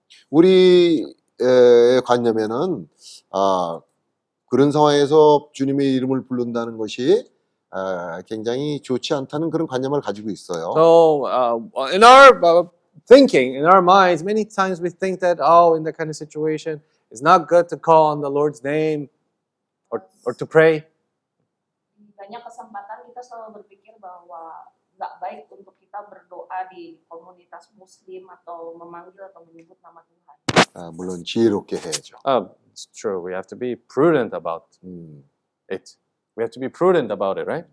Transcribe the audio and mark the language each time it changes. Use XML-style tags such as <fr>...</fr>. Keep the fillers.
<ko>우리 관념에는 어, 그런 상황에서 주님의 이름을 부른다는 것이</ko> <en>So uh, in our uh, thinking, in our minds, many times we think that oh, in that kind of situation, it's not good to call on the Lord's name or, or to pray.</en> <id>banyak kesempatan kita selalu berpikir bahwa nggak baik untuk kita berdoa di komunitas muslim atau memanggil atau menyebut nama Tuhan.</id> <en>it's true. We have to be prudent about hmm. it we have to be prudent about it, right?</en>